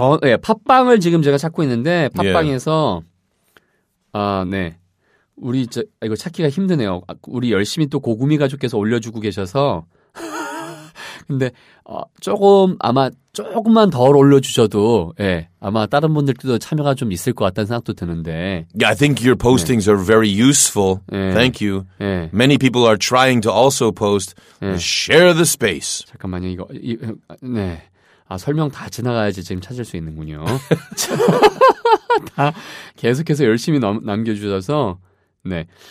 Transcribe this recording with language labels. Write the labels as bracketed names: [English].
[Korean] 예, 팟빵을 지금 제가 찾고 있는데 팟빵에서 yeah. 아, 네. 우리 저 이거 찾기가 힘드네요. 우리 열심히 또 고구미 가족께서 올려 주고 계셔서 근데 조금 아마 조금만 덜 올려 주셔도 예. 아마 다른 분들도 참여가 좀 있을 것 같다는 생각도 드는데. [English] Yeah, I think your postings 네. are very useful. [Korean] 예. [English] Thank you. [Korean] 예. [English] Many people are trying to also post. [Korean] 예. [English] Share the space. [Korean] 잠깐만요. 이거 이, 네. 아, 설명 다 지나가야지 지금 찾을 수 있는군요. 다 계속해서 열심히 남겨주셔서, 네.